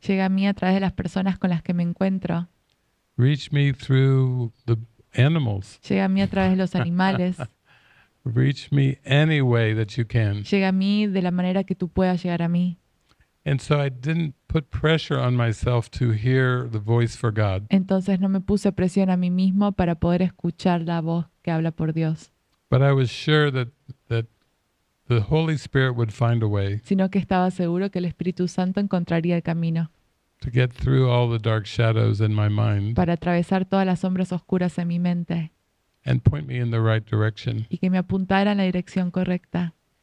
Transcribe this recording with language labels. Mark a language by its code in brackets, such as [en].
[es] Llega a mí a través de las personas con las que me encuentro. [en] Reach me through the animals. [es] Llega a mí a través de los animales. [en] Reach me any way that you can. [es] Llega a mí de la manera que tú puedas llegar a mí. [en] And so I didn't put pressure on myself to hear the voice for God. [es] Entonces no me puse presión a mí mismo para poder escuchar la voz que habla por Dios. [en] But I was sure that the Holy Spirit would find a way, [es] sino que estaba seguro que el Espíritu Santo encontraría el camino, [en] to get through all the dark shadows in my mind, [es] para atravesar todas las sombras oscuras en mi mente, [en] and point me in the right direction, [es] y que me apuntara en la dirección correcta.